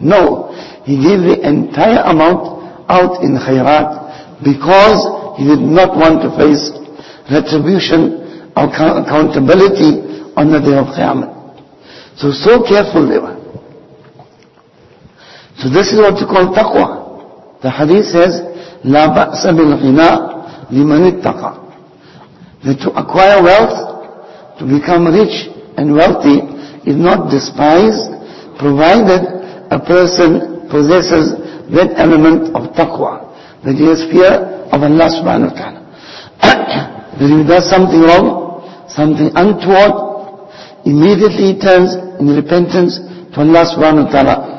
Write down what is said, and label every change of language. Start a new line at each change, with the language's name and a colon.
English: No, he gave the entire amount out in khairat because he did not want to face retribution or accountability on the day of Qiyamah. So careful they were. So this is what you call taqwa. The hadith says,
Arabic: لَا بَأْسَ بِالْغِنَىٰ لِمَنِ اتَّقَىٰ.
English: That to acquire wealth, to become rich and wealthy, is not despised, provided a person possesses that element of taqwa, that he has fear of Allah subhanahu wa ta'ala. That he does something wrong, something untoward, immediately he turns in repentance to Allah subhanahu wa ta'ala.